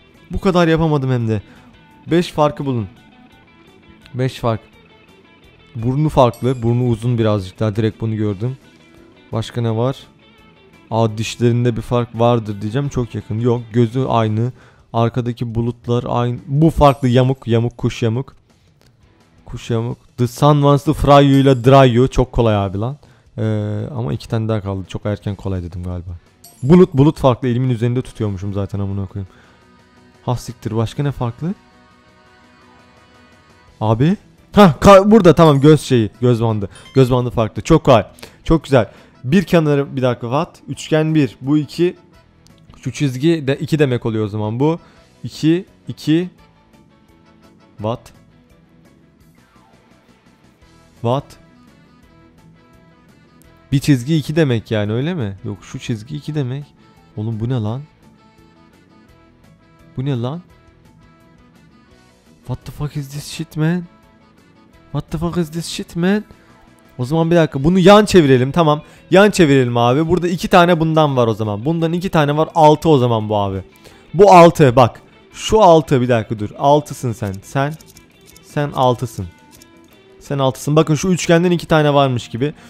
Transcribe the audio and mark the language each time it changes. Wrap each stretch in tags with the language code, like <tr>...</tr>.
<tr>Bu kadar yapamadım hem de. 5 farkı bulun. 5 fark. Burnu farklı. Burnu uzun birazcık daha. Direkt bunu gördüm. Başka ne var? Aa dişlerinde bir fark vardır diyeceğim. Çok yakın. Yok. Gözü aynı. Arkadaki bulutlar aynı. Bu farklı. Yamuk. Yamuk. Kuş yamuk. Kuş yamuk.</tr> <en>The sun wants to fry you ile dry you.</en> <tr>Çok kolay abi lan. Ama iki tane daha kaldı. Çok erken kolay dedim galiba. Bulut farklı. Elimin üzerinde tutuyormuşum zaten amına koyayım. Hasiktir. Başka ne farklı? Abi. Burada tamam, göz şeyi, göz bandı. Göz bandı farklı. Çok kolay. Çok güzel. Bir kenarı bir dakika what? Üçgen 1. Bu 2. Şu çizgi de 2 demek oluyor o zaman bu. 2 2 what?</tr> <en>What?</en> <tr>Bir çizgi 2 demek yani, öyle mi? Yok, şu çizgi 2 demek. Oğlum bu ne lan? Bu ne lan?</tr> <en>What the fuck is this shit man? What the fuck is this shit man?</en> <tr>O zaman bir dakika, bunu yan çevirelim, tamam. Yan çevirelim abi. Burada 2 tane bundan var o zaman. Bundan 2 tane var. 6 o zaman bu abi. Bu 6 bak. Şu 6 bir dakika dur. 6'sın sen. Sen 6'sın. Sen 6'sın. Bakın şu üçgenden 2 tane varmış gibi.</tr>